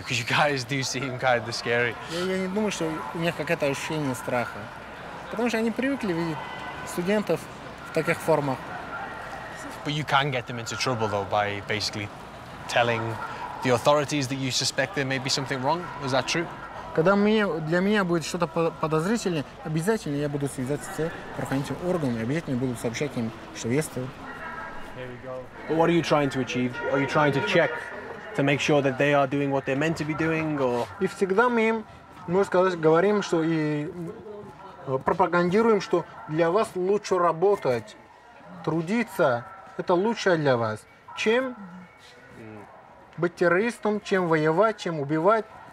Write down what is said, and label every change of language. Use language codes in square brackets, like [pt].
[en] Because you guys do seem kind of scary. I don't think they have any feeling of fear. Because they are used to seeing students in such forms. But you can get them into trouble, though, by basically telling the authorities that you suspect there may be something wrong. Is that true? [ru] Когда мне для меня будет что-то подозрительное, обязательно я буду связаться с правоохранительными органами, обязательно буду сообщать им, что есть. [en] Here we go. But what are you trying to achieve? Are you trying to check to make sure that they are doing what they're meant to be doing, or? [ru] И всегда мы им, можно сказать, говорим, что и пропагандируем, что для вас лучше работать, трудиться. Это лучше для вас, чем быть террористом, чем воевать, чем убивать.